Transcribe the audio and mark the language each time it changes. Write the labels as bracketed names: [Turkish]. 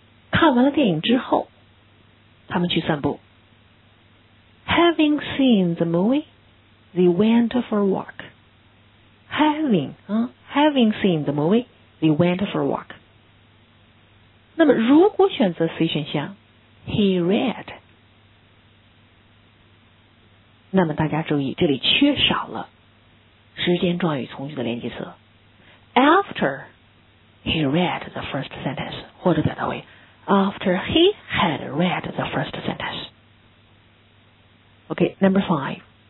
[Chinese] 看完了电影之后他们去散步。 [English] Having seen the movie, they went for a walk. Having seen the movie, they went for a walk. [Chinese] 那么如果选择 C 选项 he read, 那么大家注意这里缺少了时间状语从句的连接词。 [English] After he read the first sentence, 或者表达为After he had read the first sentence. Okay, number five.